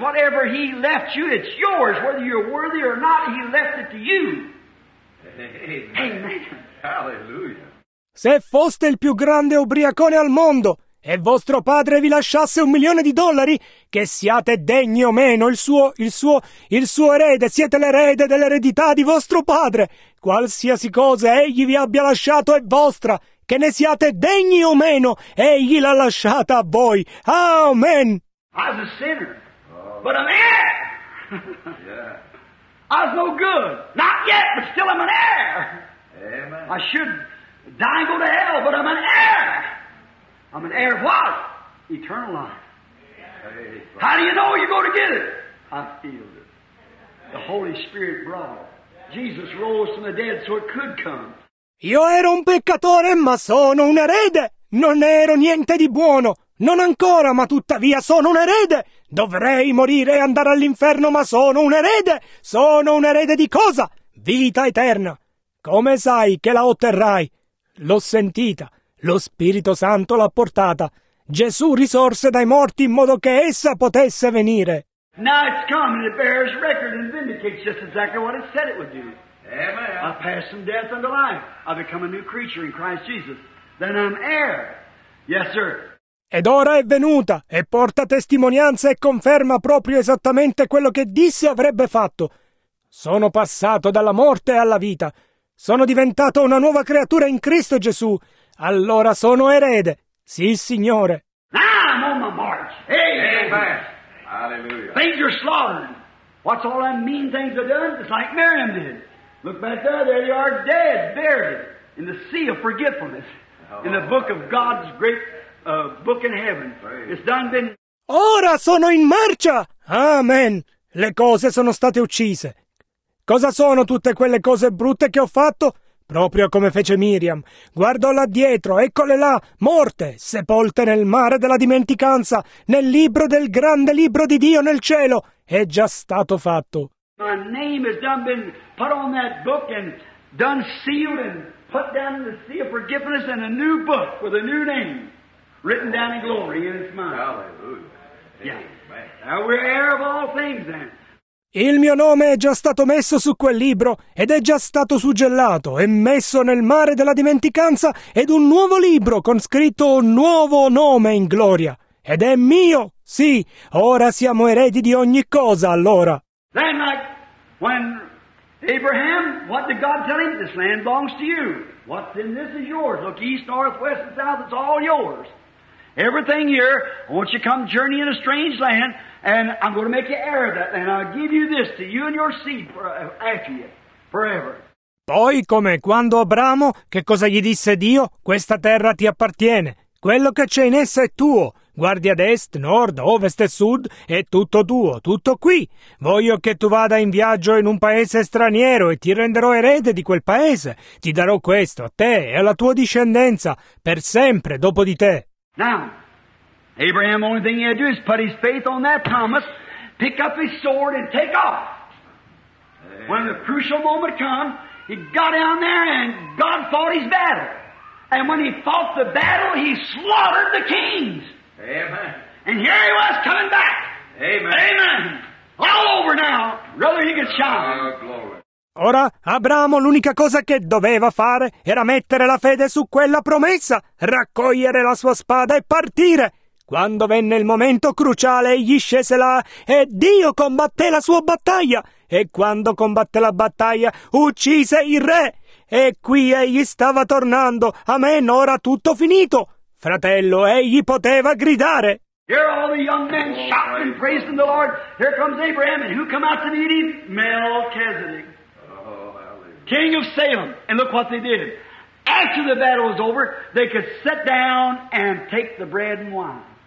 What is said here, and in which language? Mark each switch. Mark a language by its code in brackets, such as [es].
[en] Whatever he left you, it's yours. Whether you're worthy or not, he left it to you. Amen. Hallelujah. [it] Se foste il più grande ubriacone al mondo e vostro padre vi lasciasse $1 million, che siate degni o meno, il suo erede, siete l'erede dell'eredità di vostro padre. Qualsiasi cosa egli vi abbia lasciato è vostra. Che ne siate degni o meno, egli l'ha lasciata a voi. [en] Amen. I was a sinner, but an heir. Yeah. I was no good, not yet, but still I'm an heir. Amen. I should die and go to hell, but I'm an heir. I'm an heir of what? Eternal life. Yeah. How do you know you're going to get it? I feel it. The Holy Spirit brought it. Jesus rose from the dead so it could come. [it] Io ero un peccatore, ma sono un erede. Non ero niente di buono. Non ancora, ma tuttavia sono un erede. Dovrei morire e andare all'inferno, ma sono un erede. Sono un erede di cosa? Vita eterna. Come sai che la otterrai? L'ho sentita. Lo Spirito Santo l'ha portata. Gesù risorse dai morti in modo che essa potesse venire. [en] Now it's come and it bears record and vindicates just exactly what it said it would do. Amen. I pass from death unto life. I become a new creature in Christ Jesus. Then I'm heir. Yes, sir. [it] Ed ora è venuta e porta testimonianza e conferma proprio esattamente quello che disse avrebbe fatto. Sono passato dalla morte alla vita. Sono diventato una nuova creatura in Cristo Gesù. Allora sono erede. Sì, Signore. [en] Now I'm on my march. Hey, amen. Hallelujah. Things are slaughtering. What's all them mean things I've done? It's like Miriam did. Look back there. There they are, dead, buried in the sea of forgetfulness. Oh, in the book of God's great... book in heaven. It's done been... [it] Ora sono in marcia! Amen! Le cose sono state uccise. Cosa sono tutte quelle cose brutte che ho fatto? Proprio come fece Miriam. Guardò là dietro, eccole là, morte, sepolte nel mare della dimenticanza, nel libro del grande libro di Dio nel cielo. È già stato fatto. [en] My name has done been put on that book and done sealed and put down in the sea of forgiveness in a new book with a new name. Written down in glory in his mind. Hallelujah. Yeah. Now we're heir of all things then. [it] Il mio nome è già stato messo su quel libro ed è già stato suggellato e messo nel mare della dimenticanza ed un nuovo libro con scritto un nuovo nome in gloria. Ed è mio, sì. Ora siamo eredi di ogni cosa, allora. [en] Then like when Abraham, what did God tell him? This land belongs to you. What's in this is yours. Look east, north, west, and south, it's all yours. Everything here, I want you to come journey in a strange land, and I'm going to make you heir of that, and I'll give you this to you and your seed for, after you, forever. [it] Poi, come quando Abramo, che cosa gli disse Dio? Questa terra ti appartiene. Quello che c'è in essa è tuo. Guardi ad est, nord, ovest e sud, è tutto tuo, tutto qui. Voglio che tu vada in viaggio in un paese straniero e ti renderò erede di quel paese. Ti darò questo a te e alla tua discendenza per sempre dopo di te. [en] Now, Abraham, only thing he had to do is put his faith on that promise, pick up his sword and take off. When the crucial moment come, he got down there and God fought his battle. And when he fought the battle, he slaughtered the kings. Amen. And here he was coming back. Amen. Amen. All over now. Brother, he could shout. Glory. [it] Ora, Abramo l'unica cosa che doveva fare era mettere la fede su quella promessa, raccogliere la sua spada e partire. Quando venne il momento cruciale, egli scese là e Dio combatté la sua battaglia. E quando combatté la battaglia, uccise il re. E qui egli stava tornando. Amen, ora tutto finito. Fratello, egli poteva gridare. [en] Here are all the young men shouting and praising the Lord. Here comes Abraham, and who come out to meet him? Melchizedek. King of Salem. And look what they did. After the battle was over, they could sit down and take the bread and wine.